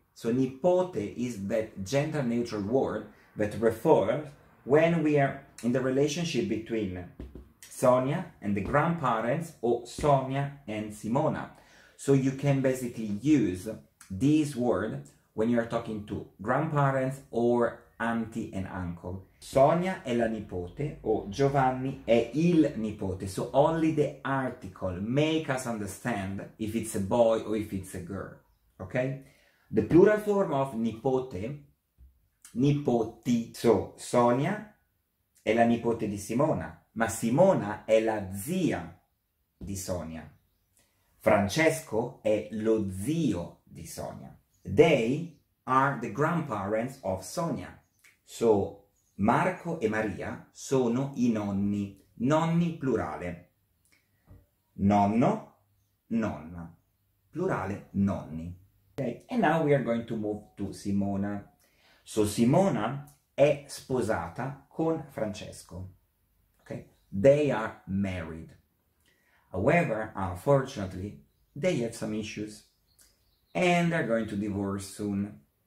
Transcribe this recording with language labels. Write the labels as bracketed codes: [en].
[en] So nipote is that gender-neutral word that refers when we are in the relationship between Sonia and the grandparents or Sonia and Simona. So you can basically use this word when you are talking to grandparents or auntie and uncle. [it] Sonia è la nipote o Giovanni è il nipote. [en] So only the article make us understand if it's a boy or if it's a girl, okay? The plural form of nipote, nipoti. [it] So Sonia è la nipote di Simona, ma Simona è la zia di Sonia. Francesco è lo zio di Sonia. [en] They are the grandparents of Sonia. [it] So Marco e Maria sono i nonni, nonni plurale, nonno, nonna, plurale nonni. [en] Okay, and now we are going to move to Simona. So [it] Simona è sposata con Francesco. [en] Okay, they are married. However, unfortunately, they have some issues and they're going to divorce soon.